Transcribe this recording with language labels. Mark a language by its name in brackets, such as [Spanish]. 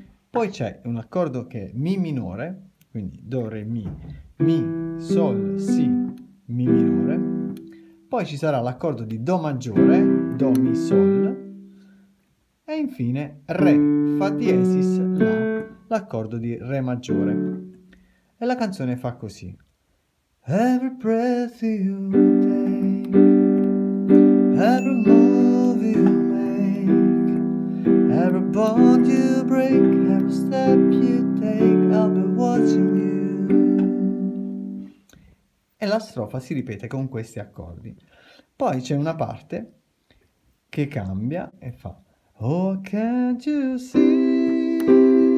[Italian] Poi c'è un accordo che è Mi minore, quindi Do, Re, Mi, Mi, Sol, Si, Mi minore. Poi ci sarà l'accordo di Do maggiore, Do, Mi, Sol. E infine Re Fa diesis La, l'accordo di Re maggiore. E la canzone fa così. [English] Every breath you take, every move you make, every bond you break, every step you take, I'll be watching you. [Italian] E la strofa si ripete con questi accordi. Poi c'è una parte che cambia e fa. [English] Oh, can't you see?